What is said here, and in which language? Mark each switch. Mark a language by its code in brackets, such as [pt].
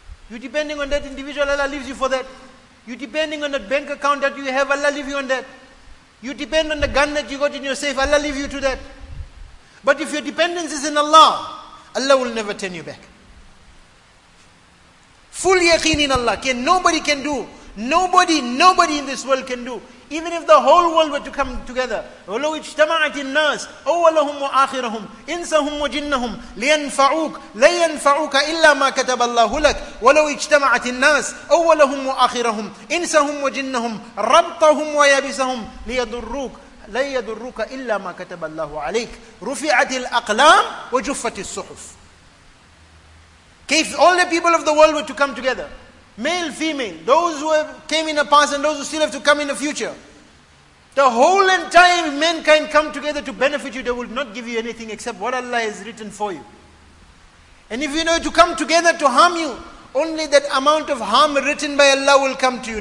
[en] You're depending on that individual, Allah leaves you for that. You're depending on that bank account that you have, Allah leaves you on that. You depend on the gun that you got in your safe, Allah leaves you to that. But if your dependence is in Allah, Allah will never turn you back. Full yaqeen in Allah, nobody can do. Nobody in this world can do. Even if the whole world were to come together, [ar] وَلَوْ اِجْتَمَعَتِ النَّاسِ أَوَّلَهُمْ وَآخِرَهُمْ إِنْسَهُمْ وَجِنَّهُمْ لِيَنْفَعُوكَ لَيَنْفَعُوكَ إِلَّا مَا كَتَبَ اللَّهُ لَكَ وَلَوْ اِجْتَمَعَتِ النَّاسِ أَوَّلَهُمْ وَآخِرَهُمْ إِنْسَهُمْ وَجِنَّهُمْ رَبْطَهُمْ وَيَبِسَهُمْ لِيَضُرُّوكَ لَيَضُرُّوكَ إِلَّا مَا كَتَبَ اللَّهُ عَلَيْكَ رُفِعَتِ الْأَقْلَامُ وَجُفَّتِ الصُّحُفُ. [en] If all the people of the world were to come together, male, female, those who have came in the past and those who still have to come in the future. The whole entire mankind come together to benefit you, they will not give you anything except what Allah has written for you. And if you know to come together to harm you, only that amount of harm written by Allah will come to you.